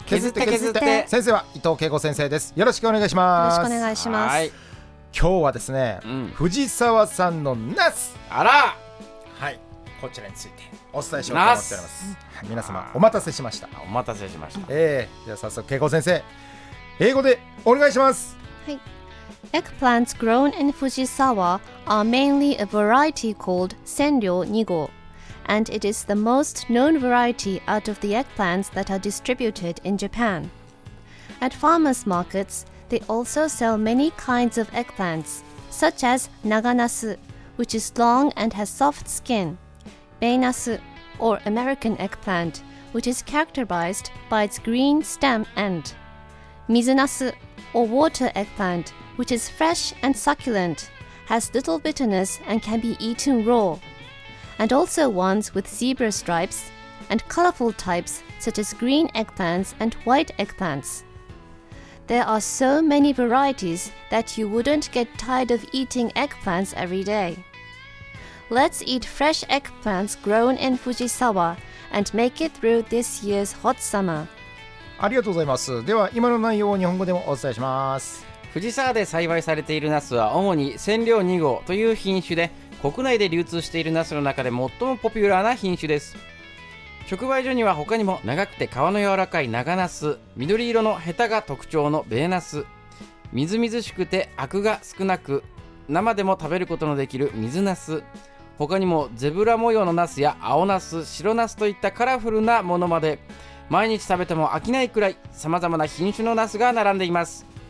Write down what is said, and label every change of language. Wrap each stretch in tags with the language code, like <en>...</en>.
<ja>削って削っ て先生は伊藤恵子先生です。よろしくお願いします。よろしくお願いします。はい、今日はですね、うん、藤沢さんのナス、あら、はい、こちらについてお伝えしようと思っております。皆様お待たせしました。お待たせしました。じゃあ早速恵子先生、英語でお願いします。</ja> <en>はい、Eggplants grown in Fujisawa are mainly a variety called Senryo 2号 and it is the most known variety out of the eggplants that are distributed in Japan. At farmers markets, they also sell many kinds of eggplants, such as Naganasu, which is long and has soft skin, Beinasu, or American eggplant, which is characterized by its green stem end, Mizunasu,or water eggplant, which is fresh and succulent, has little bitterness and can be eaten raw, and also ones with zebra stripes, and colorful types such as green eggplants and white eggplants. There are so many varieties that you wouldn't get tired of eating eggplants every day. Let's eat fresh eggplants grown in Fujisawa and make it through this year's hot summer.</en> <ja>ありがとうございます。では今の内容を日本語でもお伝えします。藤沢で栽培されているナスは主に千両2号という品種で、国内で流通しているナスの中で最もポピュラーな品種です。直売所には他にも長くて皮の柔らかい長ナス、緑色のヘタが特徴のベーナス、みずみずしくてアクが少なく生でも食べることのできる水ナス、他にもゼブラ模様のナスや青ナス、白ナスといったカラフルなものまで、毎日食べても飽きないくらい様々な品種のナスが並んでいます。</ja>